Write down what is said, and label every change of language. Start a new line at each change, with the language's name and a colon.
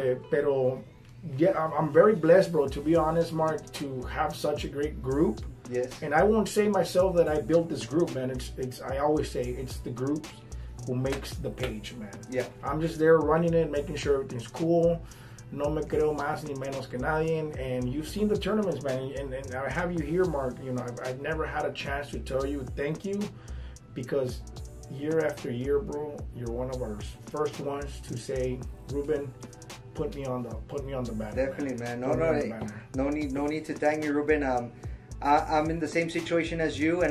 Spanish: pero,
English: yeah, I'm very blessed, bro, to be honest, Mark, to have such a great group. Yes. And I won't say myself that I built this group, man. It's I always say it's the group who makes the page, man. Yeah. I'm just there running it, making sure everything's cool.
Spanish: No me creo más ni menos que nadie.
English: And you've seen the tournaments, man. And I have you here, Mark. You know, I've never had a chance to tell you thank you. Because year after year, bro, you're one of our first ones to say, Ruben, put me on the banner. Definitely, man. No need to thank you, Ruben. I'm in the same situation as you.